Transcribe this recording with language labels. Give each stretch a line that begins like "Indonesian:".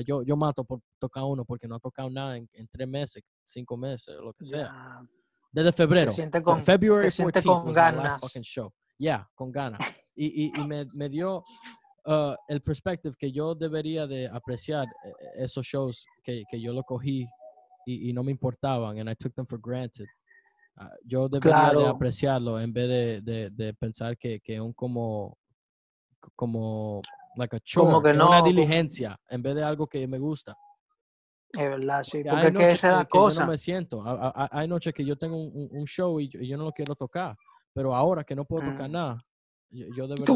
Spanish: Yo mato por tocar uno porque no ha tocado nada en 3 meses, 5 meses, lo que sea. Desde febrero.
English: February 14th was my last fucking show. Yeah,
Spanish: con ganas. Y me dio el perspective que yo debería de apreciar esos shows que yo lo cogí. Y no me importaban,
English: and I took them for granted.
Spanish: Yo debería de apreciarlo en vez de pensar que un como
English: like a chore,
Spanish: como que no, una diligencia, en vez de algo que me gusta. Es verdad, sí, porque esa es la cosa. Yo no me siento. Hay noches que yo tengo un show y yo no lo quiero tocar, pero ahora que no puedo tocar nada, yo de verdad